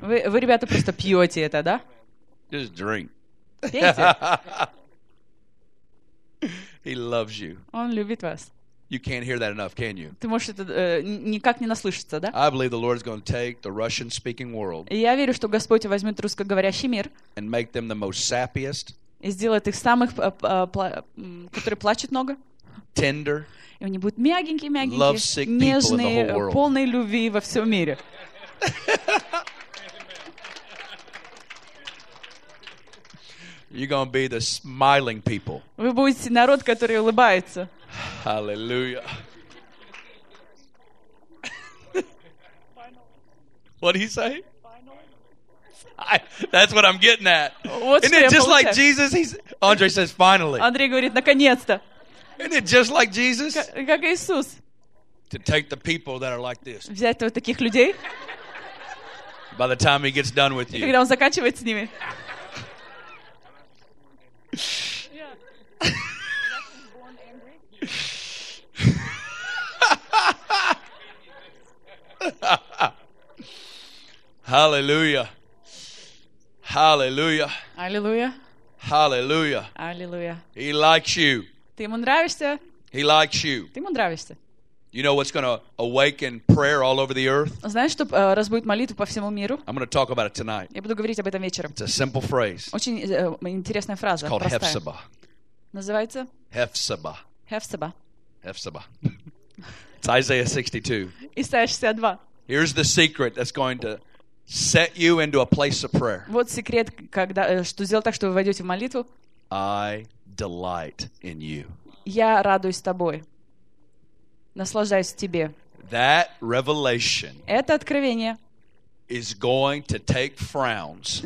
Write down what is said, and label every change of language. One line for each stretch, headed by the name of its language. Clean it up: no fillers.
Russian: Вы ребята просто пьете это, да?
English: Just drink.
Russian: Пейте.
English: He loves you.
Russian: Он любит вас.
English: You can't hear that enough, can you?
Russian: Ты можешь это никак не наслышаться, да?
English: I believe the Lord is going to take the Russian-speaking world.
Russian: Я верю, что Господь возьмет русскоговорящий мир.
English: And make them the most sappiest.
Russian: И сделает их самых, которые плачут много.
English: Tender.
Russian: И они будут мягенькие, нежные, полные любви во всем мире.
English: You're going to be the smiling people.
Russian: Вы будете народ, который улыбается.
English: Hallelujah. What did he say? That's what I'm getting at. Isn't it just like Jesus? Andre says, finally.
Russian: Андрей говорит, наконец-то.
English: Isn't it just like Jesus?
Russian: Как Иисус.
English: To take the people that are like this.
Russian: Взять вот таких людей.
English: By the time he gets done with you.
Russian: Когда он заканчивает с ними.
English: Hallelujah. Hallelujah. Hallelujah. Hallelujah. Hallelujah. He likes you.
Russian: Ты ему нравишься?
English: He likes you.
Russian: Ты ему нравишься?
English: You know what's going to awaken prayer all over the earth?
Russian: Знаешь, что разбудит молитву по всему миру?
English: I'm going to talk about it tonight.
Russian: Я буду говорить об этом вечером.
English: It's a simple phrase.
Russian: Очень интересная фраза.
English: It's called Hephzibah.
Russian: Называется?
English: Hephzibah. Hephzibah. Hephzibah. It's Isaiah 62.
Russian: Исайя 62.
English: Here's the secret that's going to set you into a place of prayer.
Russian: Вот секрет, когда что сделать так, чтобы вы войдете в молитву?
English: I delight in you.
Russian: Я радуюсь тобой. Наслаждаюсь тебе.
English: That revelation.
Russian: Это откровение.
English: Is going to take frowns.